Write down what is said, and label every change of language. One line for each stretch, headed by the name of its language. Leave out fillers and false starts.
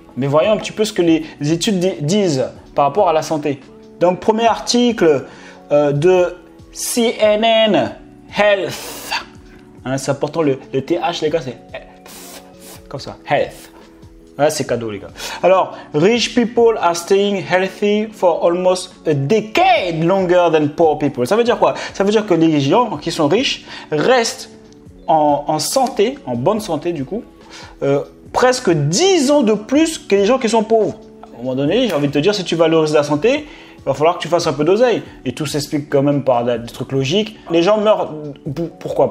French: Mais voyons un petit peu ce que les études disent par rapport à la santé. Donc premier article de CNN Health, hein, c'est important le TH les gars, c'est... Comme ça, health. Ouais, c'est cadeau, les gars.
English: Alors, rich people are staying healthy for almost a decade longer than poor people.
French: Ça veut dire quoi? Ça veut dire que les gens qui sont riches restent en santé, en bonne santé, du coup, presque 10 ans de plus que les gens qui sont pauvres. À un moment donné, j'ai envie de te dire, si tu valorises la santé, il va falloir que tu fasses un peu d'oseille. Et tout s'explique quand même par des trucs logiques. Les gens meurent. Pourquoi?